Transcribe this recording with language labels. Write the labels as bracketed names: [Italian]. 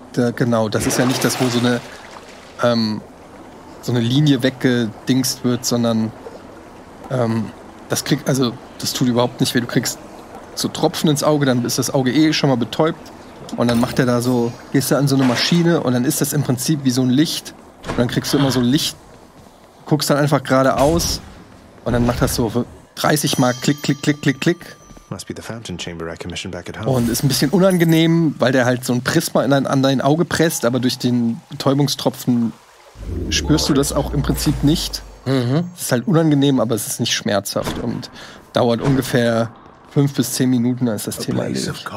[German] Da, genau, das ist ja nicht das, wo so eine Linie weggedingst wird, sondern das tut überhaupt nicht weh. Du kriegst so Tropfen ins Auge, dann ist das Auge eh schon mal betäubt. Und dann macht er da so, gehst du an so eine Maschine und dann ist das im Prinzip wie so ein Licht. Und dann kriegst du immer so Licht, guckst dann einfach geradeaus und dann macht das so 30 Mal klick, klick, klick, klick, klick. [English] Must be the fountain chamber I commissioned back at home. [German] Und ist ein bisschen unangenehm, weil der halt so ein Prisma an dein Auge presst, aber durch den Betäubungstropfen spürst du das auch im Prinzip nicht. Mhm. Ist halt unangenehm, aber es ist nicht schmerzhaft und dauert ungefähr 5 bis 10 Minuten, dann ist das Thema erledigt.